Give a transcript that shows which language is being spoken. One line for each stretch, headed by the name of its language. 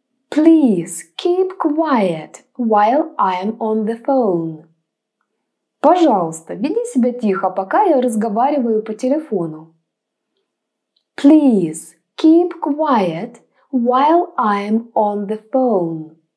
English: Please keep quiet while I'm on the phone.
Russian: Пожалуйста, веди себя тихо, пока я разговариваю по телефону.
English: Please keep quiet while I'm on the phone.